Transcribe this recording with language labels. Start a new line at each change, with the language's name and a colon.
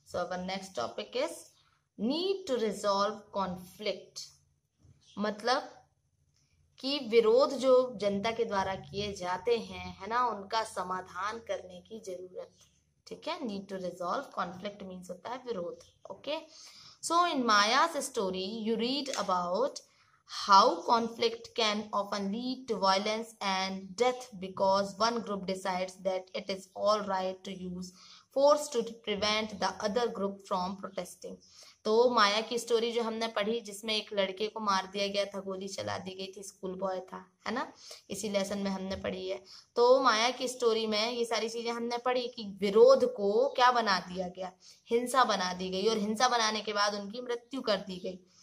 English: so our next topic is need to resolve conflict,
Hindi: मतलब कि विरोध जो जनता के द्वारा किए जाते हैं, है ना, उनका समाधान करने की जरूरत। ठीक है,
English: need to resolve conflict means
Hindi: होता है विरोध।
English: Okay, so in Maya's story you read about How conflict can often lead to violence and death because one group decides that it is all right to use force to prevent the other group from protesting.
Hindi: तो माया की story जो हमने पढ़ी, जिसमें एक लड़के को मार दिया गया था, गोली चला दी गई थी, स्कूल बॉय था, है ना, इसी लेसन में हमने पढ़ी है। तो माया की स्टोरी में ये सारी चीजें हमने पढ़ी कि विरोध को क्या बना दिया गया, हिंसा बना दी गई, और हिंसा बनाने के बाद उनकी मृत्यु कर दी गई।